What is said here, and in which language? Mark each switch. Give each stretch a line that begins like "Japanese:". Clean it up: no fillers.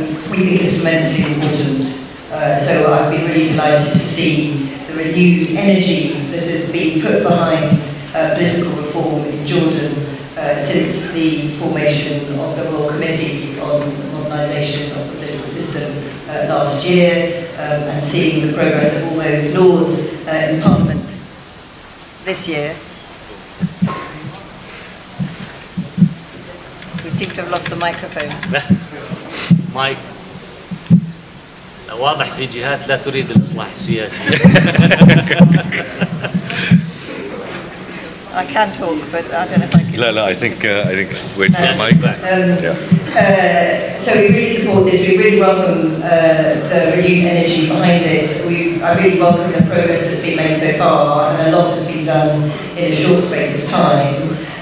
English: We think it's tremendously important. So I've been really delighted to see the renewed energy that has been put behind political reform in Jordan since the formation of the Royal Committee on Modernisation of the Political System last year and seeing the progress of all those laws in Parliament this year. Seem to have lost the microphone. Mike.
Arabic: واضح في جهات لا تريد الإصلاح السياسي.
English: I can talk, but I don't know if I can. No, I think wait for the mic. So we really support this. We really welcome the renewed energy behind it. I really welcome the progress that's been made so far, and a lot has been done in a short space of time.